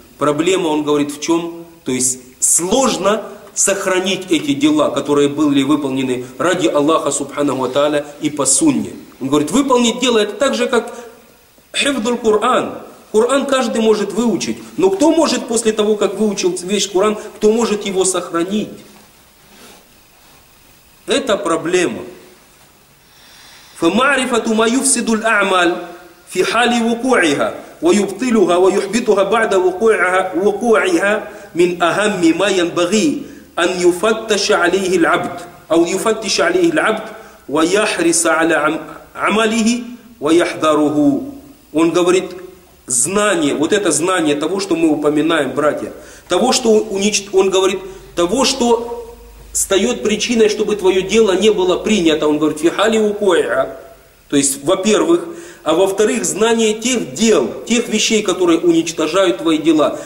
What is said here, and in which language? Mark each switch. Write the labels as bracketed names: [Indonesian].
[Russian] Проблема, он говорит, в чем? То есть сложно сохранить эти дела, которые были выполнены ради Аллаха Субханаху ва Тааля и по сунне. Он говорит, выполнить дело это так же, как хифдуль Куран. Куран каждый может выучить. Но кто может после того, как выучил весь Куран, кто может его сохранить? Это проблема. [Arabic] فَمَعْرِفَةُ مَيُفْسِدُ الْأَعْمَالِ فِي حَالِ وُقُعِهَا ويبطلها ويحبطها بعد وقوعها من أهم ما ينبغي أن يفتش عليه العبد أو يفتش عليه العبد ويحرص على عمله ويحذره. [Russian] Он говорит, знание, вот это знание того, что мы упоминаем, братья, того, что он говорит, того, что стает причиной, чтобы твое дело не было принято, он говорит, фихали укоя, то есть, во-первых, а во-вторых, знание тех дел, тех вещей, которые уничтожают твои дела.